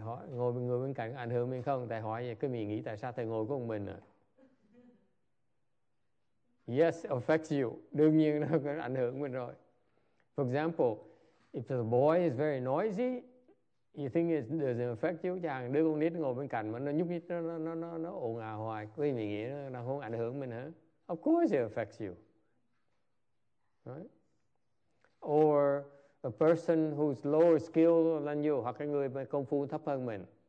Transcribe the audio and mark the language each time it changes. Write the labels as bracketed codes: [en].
[vi] Ngồi người bên cạnh ảnh hưởng mình không? Tại hỏi vậy, cứ mình nghĩ tại sao thầy ngồi có một mình à? [en] Yes, affects you. [vi] Đương nhiên nó có ảnh hưởng mình rồi. [en] For example, if the boy is very noisy, you think it doesn't affect you. [vi] Chàng đứa con nít ngồi bên cạnh mà nó nhúc nhích, nó ồn ào hoài, quý vị nghĩ nó không ảnh hưởng mình hả? [en] Of course it affects you. Right? Or a person who's lower skill than you, [vi] hoặc cái người công phu thấp hơn mình.